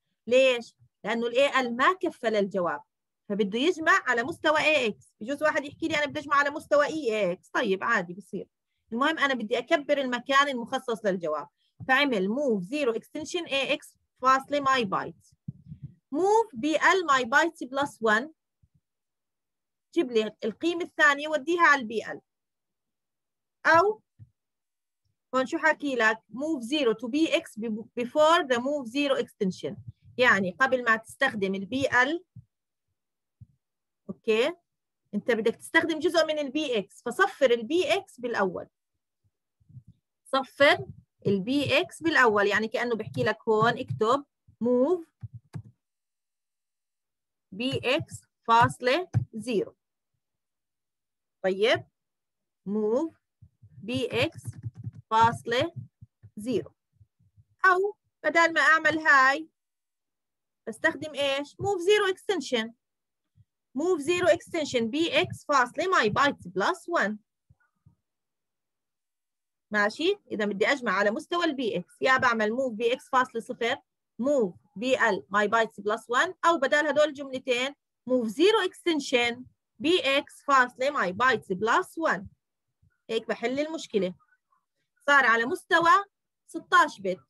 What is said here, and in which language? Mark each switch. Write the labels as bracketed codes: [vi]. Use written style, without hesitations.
[ar] ليش؟ لانه الاي ال ما كفل الجواب، فبده يجمع على مستوى اي اكس. بجوز واحد يحكي لي انا بدي اجمع على مستوى اي اكس، طيب عادي بصير. المهم انا بدي اكبر المكان المخصص للجواب، فعمل move zero extension ax فاصلة my byte. move bl my byte plus one، جيب لي القيمة الثانية وديها على bl. أو هون شو حكي لك؟ [en] move zero to bx before the move zero extension، [ar] يعني قبل ما تستخدم bl. أوكي، أنت بدك تستخدم جزء من bx، فصفر bx بالأول. صفر ال bx بالاول، يعني كانه بحكي لك هون اكتب move bx فاصلة 0. طيب move bx فاصلة 0، او بدل ما اعمل هاي بستخدم ايش؟ move zero extension. [en] move zero extension bx فاصلة my byte plus 1. [ar] ماشي. اذا بدي اجمع على مستوى البي اكس، يا بعمل موف بي اكس فاصل صفر، موف بي ال ماي بايتس بلس 1، او بدل هدول الجملتين موف زيرو اكستنشن بي اكس فاصل ماي بايتس بلس 1. هيك بحل المشكله، صار على مستوى 16 بت.